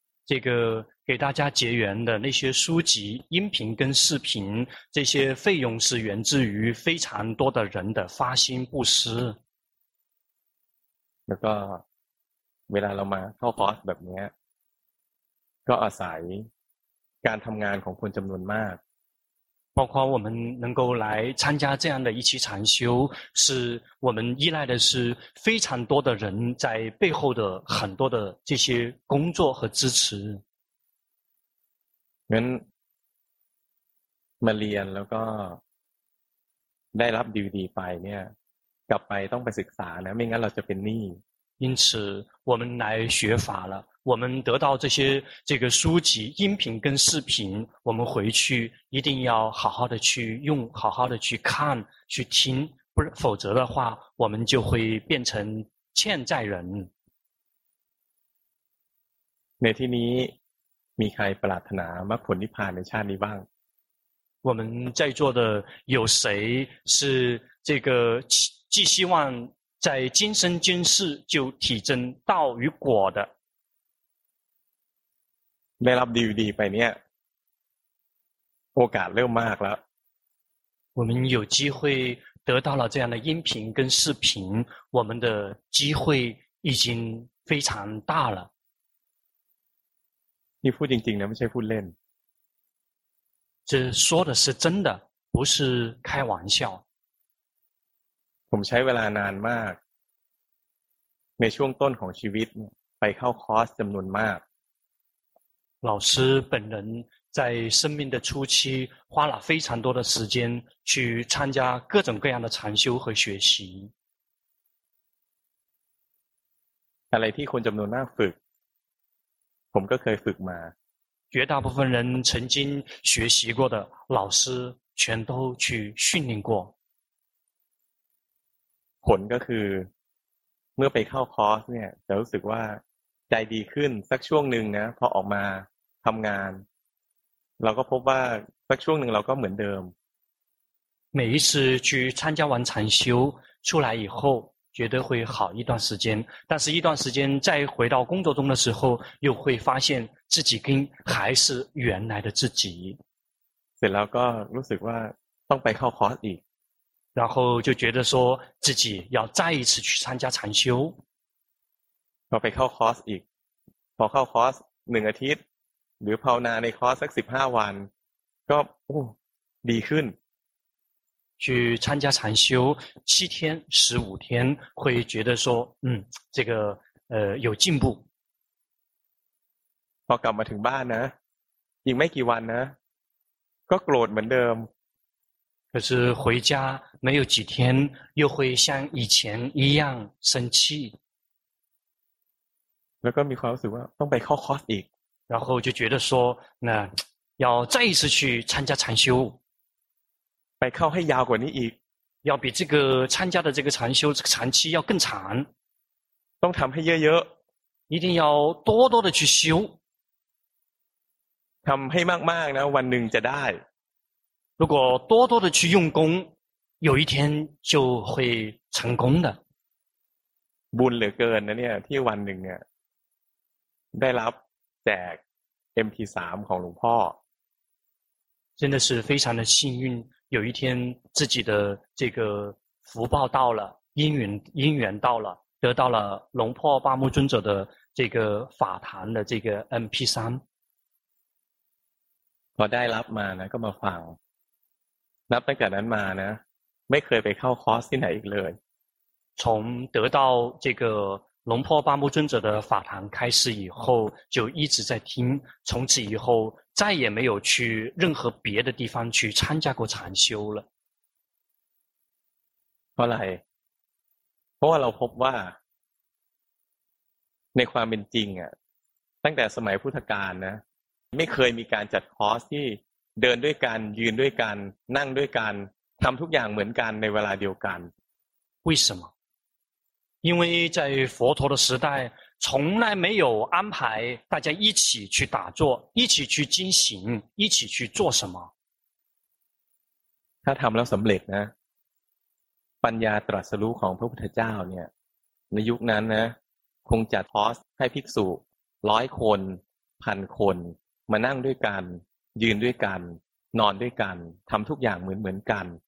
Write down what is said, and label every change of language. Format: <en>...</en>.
<zh>这个给大家结缘的那些书籍、音频跟视频，这些费用是源自于非常多的人的发心布施。</zh> <th>แล้วก็เวลาเรามาเข้าคอร์สแบบนี้ก็อาศัยการทำงานของคนจำนวนมาก</th> <zh>包括我们能够来参加这样的一期禅修，是我们依赖的是非常多的人在背后的很多的这些工作和支持。</zh> <th>งั้นมาเรียนแล้วก็ได้รับดีวีดีไปเนี่ยกลับไปต้องไปศึกษานะไม่งั้นเราจะเป็นหนี้</th> <zh>因此我们来学法了，我们得到这些这个书籍音频跟视频，我们回去一定要好好的去用，好好的去看去听，不然否则的话我们就会变成欠债人。</zh> <th>ในที่นี้มีใครปรารถนามรรคผลนิพพานในชาตินี้บ้าง</th> <zh>我们在座的有谁是这个寄希望在今生今世就体证道与果的。</zh> <th>ได้รับดีวีดีไปเนี่ยโอกาสเริ่มมากแล้ว</th> <zh>我们有机会得到了这样的音频跟视频，我们的机会已经非常大了。</zh> <th>นี่พูดจริงๆนะไม่ใช่พูดเล่น</th> <zh>这说的是真的，不是开玩笑。</zh> <th>ผมใช้เวลานานมากในช่วงต้นของชีวิตไปเข้าคอร์สจำนวนมาก</th> <zh>老师本人在生命的初期花了非常多的时间去参加各种各样的禅修和学习</zh> <th>อะไรที่คนจำนวนมากฝึกผมก็เคยฝึกมา</th> <zh>绝大部分人曾经学习过的老师全都去训练过</zh> <th>ผลก็คือเมื่อไปเข้าคอร์สเนี่ยจะรู้สึกว่าใจดีขึ้นสักช่วงหนึ่งนะพอออกมาทำงานเราก็พบว่าสักช่วงหนึ่งเราก็เหมือนเดิม</th> <zh>每一次去参加完禅修出来以后觉得会好一段时间但是一段时间再回到工作中的时候又会发现自己跟还是原来的自己</zh> <th>เสร็จแล้วก็รู้สึกว่าต้องไปเข้าคอร์สอีก</th> <zh>然后就觉得说自己要再一次去参加禅修。</zh> <th>พอไปเข้าคอร์สอีกพอเข้าคอร์สหนึ่งอาทิตย์หรือภาวนาในคอร์สสักสิบห้าวันก็ดีขึ้น</th> <zh>去参加禅修七天十五天会觉得说这个有进步。</zh> <th>พอกลับมาถึงบ้านนะอีกไม่กี่วันนะก็โกรธเหมือนเดิม</th> <zh>可是回家没有几天又会像以前一样生气</zh> <th>แล้วก็มีความรู้สึกว่าต้องไปเข้าคอร์สอีก</th> <zh>然后就觉得说那要再一次去参加禅修</zh> <th>ไปเข้าให้ยาวกว่านี้อีก</th> <zh>要比这个参加的这个禅修这个禅期要更长</zh> <th>ต้องทำให้เยอะ</th> <zh>ๆ一定要多多的去修</zh> <th>ทำให้มากๆนะวันหนึ่งจะได้</th> <zh>如果多多的去用功有一天就会成功的</zh> <th>บุญเหลือเกินนะเนี่ยที่วันหนึ่งเนี่ยได้รับแจก MP3 ของหลวงพ่อ</th> <zh>真的是非常的幸运有一天自己的这个福报到了因缘到了得到了龙破八木尊者的这个法坛的这个 MP3</zh> <th>พอได้รับมานะก็มาฟังนับตั้งแต่นั้นมานะไม่เคยไปเข้าคอร์สที่ไหนอีกเลย</th> <zh>从得到这个龙破八木尊者的法坛开始以后就一直在听从此以后再也没有去任何别的地方去参加过禅修了</zh> <th>เพราะอะไรเพราะว่าเราพบว่าในความเป็นจริงอ่ะตั้งแต่สมัยพุทธกาลนะไม่เคยมีการจัดคอร์สที่เดินด้วยกันยืนด้วยกันนั่งด้วยกันทำทุกอย่างเหมือนกันในเวลาเดียวกัน</th> <zh>为什么因为在佛陀的时代从来没有安排大家一起去打坐，一起去进行，一起去做什么。</zh> <th>ถ้าทำแล้วสำเร็จนะปัญญาตรัสรู้ของพระพุทธเจ้าเนี่ยในยุคนั้นนะคงจะทอสให้ภิกษุ100คน1000คนมานั่งด้วยกันยืนด้วยกันนอนด้วยกันทำทุกอย่างเหมือนกัน</th>